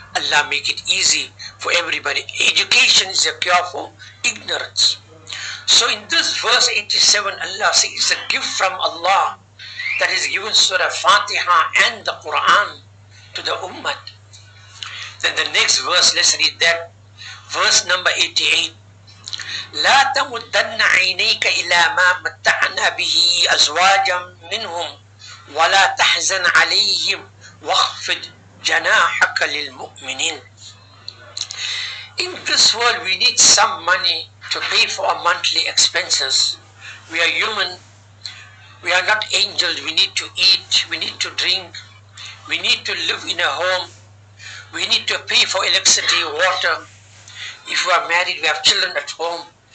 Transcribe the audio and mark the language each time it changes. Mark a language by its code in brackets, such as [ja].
[en] Allah make it easy for everybody. Education is a cure for ignorance. So in this verse 87, Allah says it's a gift from Allah that is given Surah Fatiha and the Quran to the Ummah. Then the next verse, let's read that. Verse number 88. [ar] لا تمدن عينيك إلى ما متعنا به أزواجا منهم ولا تحزن عليهم واخفض جناحك للمؤمنين. [en] In this world, we need some money to pay for our monthly expenses. We are human. We are not angels. We need to eat. We need to drink. We need to live in a home. We need to pay for electricity, water. If we are married, we have children at home.